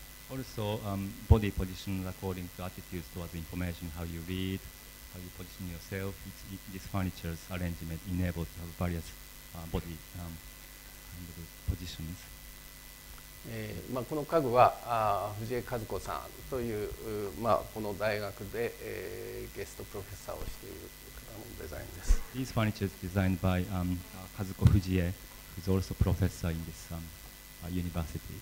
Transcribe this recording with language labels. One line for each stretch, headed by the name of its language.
English: Also, body position according to attitudes towards information, how you read. How you position yourself, this furniture's arrangement enables to have various body kind of positions.
Japanese: まあこの家具は藤江和子さんという、まあこの大学で、ゲストプロフェッサーをしている方のデザインです。
English: These furniture is designed by Kazuko Fujie, who's also professor in this university.